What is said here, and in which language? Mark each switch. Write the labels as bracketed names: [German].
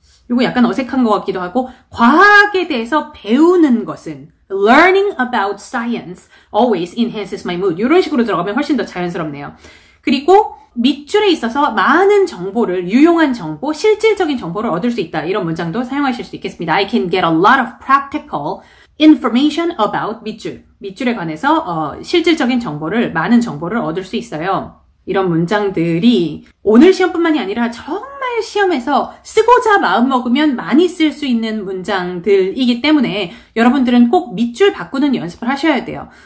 [Korean] 이거 약간 어색한 것 같기도 하고 과학에 대해서 배우는 것은 [English] learning about science always enhances my mood. [Korean] 이런 식으로 들어가면 훨씬 더 자연스럽네요. 그리고 밑줄에 있어서 많은 정보를, 유용한 정보, 실질적인 정보를 얻을 수 있다. 이런 문장도 사용하실 수 있겠습니다. [English] I can get a lot of practical information about 밑줄. [Korean] 밑줄에 관해서 실질적인 정보를, 많은 정보를 얻을 수 있어요. 이런 문장들이 오늘 시험뿐만이 아니라 정말 시험에서 쓰고자 마음먹으면 많이 쓸 수 있는 문장들이기 때문에 여러분들은 꼭 밑줄 바꾸는 연습을 하셔야 돼요.